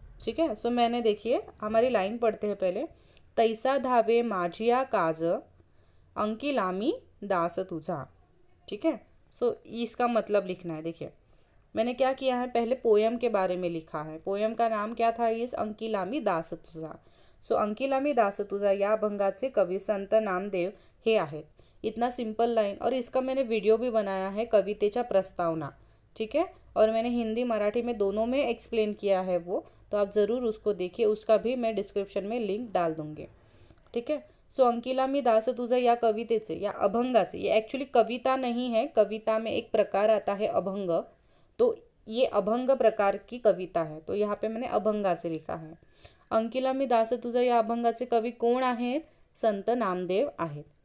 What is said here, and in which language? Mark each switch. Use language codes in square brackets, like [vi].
[hi] ठीक है, सो मैंने, देखिए हमारी लाइन पढ़ते हैं पहले। [mr] तैसा धावे माझिया काज अंकिलामी दास तुझा। [hi] ठीक है, सो इसका मतलब लिखना है। देखिए मैंने क्या किया है, पहले पोयम के बारे में लिखा है, पोयम का नाम क्या था, इस अंकिलामी दास तुझा। [mr] सो अंकिलामी दास तुझा या अभंगाचे कवि संत नामदेव हे आहेत, [hi] इतना सिंपल लाइन। और इसका मैंने वीडियो भी बनाया है, [mr] कवितेचा प्रस्तावना, [hi] ठीक है, और मैंने हिंदी मराठी में दोनों में एक्सप्लेन किया है वो, तो आप ज़रूर उसको देखिए, उसका भी मैं डिस्क्रिप्शन में लिंक डाल दूंगी। ठीक है, सो अंकिलामी दास तुझा [mr] या कवितेचे या अभंगाचे, [hi] ये एक्चुअली कविता नहीं है, कविता में एक प्रकार आता है अभंग, तो ये अभंग प्रकार की कविता है, तो यहाँ पे मैंने अभंगाचे लिखा है। [mr] अंकिलामी दास तुझा या अभंगाचे कवि कोण आहेत, संत नामदेव आहेत।